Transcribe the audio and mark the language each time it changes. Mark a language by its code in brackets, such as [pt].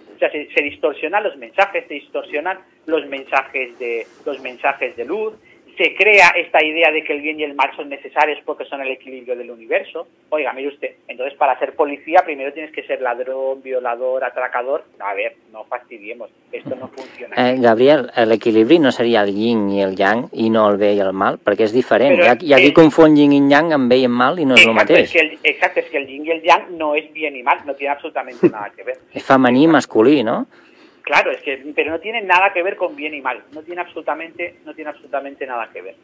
[es] O sea, se distorsionan los mensajes, se distorsionan los mensajes de luz, se crea esta idea de que el bien y el mal son necesarios porque son el equilibrio del universo. Oiga, mire usted, entonces para ser policía primero tienes que ser ladrón, violador, atracador. A ver, no fastidiemos, esto no funciona. [ca] Gabriel, l'equilibri no seria el yin i el yang i no el bé i el mal, perquè és diferent. Hi ha qui confon yin i yang amb bé i amb mal i no és el mateix. Exacte, és que el yin i el yang no és bien i mal, [es] no tiene absolutamente nada que ver. [ca] És femení i masculí, no? [es] Claro, es que, pero no tiene nada que ver con bien y mal. No tiene absolutamente nada que ver.